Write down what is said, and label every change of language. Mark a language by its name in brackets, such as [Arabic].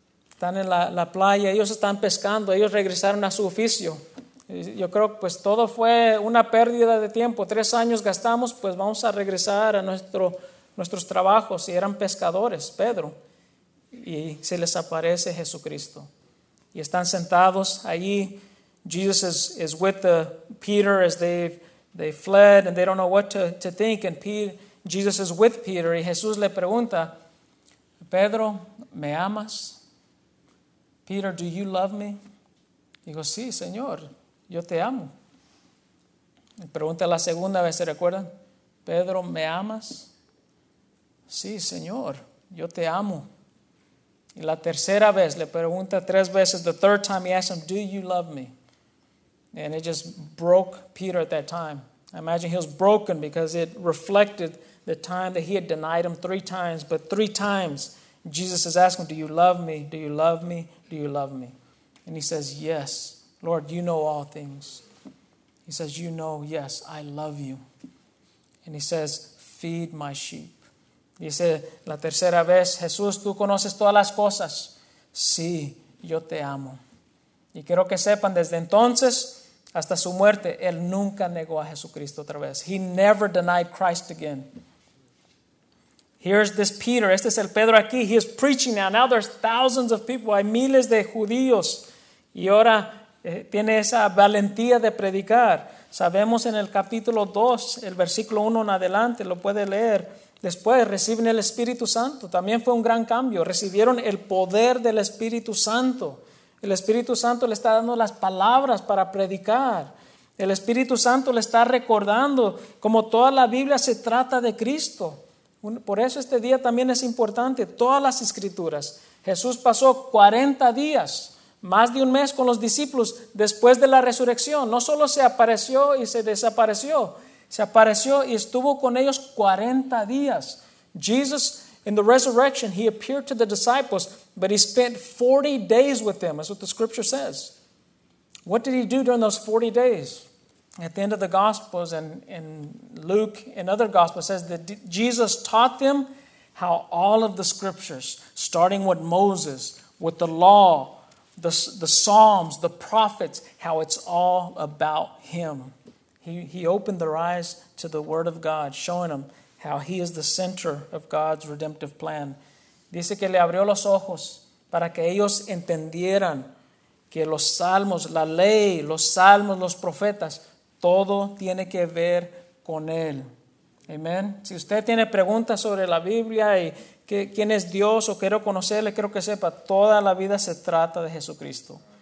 [Spanish] Están en la playa, ellos están pescando, ellos regresaron a su oficio. Yo creo que pues todo fue una pérdida de tiempo. 3 años gastamos, pues vamos a regresar a nuestros trabajos. Y eran pescadores, Pedro. Y se les aparece Jesucristo. Y están sentados ahí. [English] Jesus is with Peter as they fled and they don't know what to think. And Jesus is with Peter. [Spanish] Y Jesús le pregunta, Pedro, ¿me amas? [English] Peter, do you love me? [Spanish] Y digo, sí, Señor. Yo te amo. Me pregunta la segunda vez, ¿se recuerdan? Pedro, ¿me amas? Sí, Señor, yo te amo. Y la tercera vez, le pregunta 3 veces, [English] the 3rd time he asked him, do you love me? And it just broke Peter at that time. I imagine he was broken because it reflected the time that he had denied him 3 times. But 3 times, Jesus is asking, do you love me? Do you love me? Do you love me? And he says, yes. Lord, you know all things. He says, you know, yes, I love you. And he says, feed my sheep. [Spanish] Dice la tercera vez, Jesús, tú conoces todas las cosas. Sí, yo te amo. Y quiero que sepan, desde entonces hasta su muerte, él nunca negó a Jesucristo otra vez. [English] He never denied Christ again. Here's this Peter. [Spanish] Este es el Pedro aquí. [English] He is preaching now. Now there's thousands of people. [Spanish] Hay miles de judíos. Y ahora tiene esa valentía de predicar. Sabemos en el capítulo 2, el versículo 1 en adelante, lo puede leer. Después reciben el Espíritu Santo. También fue un gran cambio. Recibieron el poder del Espíritu Santo. El Espíritu Santo le está dando las palabras para predicar. El Espíritu Santo le está recordando cómo toda la Biblia se trata de Cristo. Por eso este día también es importante. Todas las Escrituras. Jesús pasó 40 días. Más de 1 mes con los discípulos después de la resurrección. No solo se apareció y se desapareció. Se apareció y estuvo con ellos 40 días. [English] Jesus, in the resurrection, he appeared to the disciples, but he spent 40 days with them. That's what the scripture says. What did he do during those 40 days? At the end of the Gospels and in Luke and other Gospels, says that Jesus taught them how all of the scriptures, starting with Moses, with the law, the Psalms, the prophets, how it's all about him. He opened their eyes to the Word of God, showing them how he is the center of God's redemptive plan. [Spanish] Dice que le abrió los ojos para que ellos entendieran que los salmos, la ley, los salmos, los profetas, todo tiene que ver con él. Amen. Si usted tiene preguntas sobre la Biblia y quién es Dios o quiero conocerle, quiero que sepa, toda la vida se trata de Jesucristo.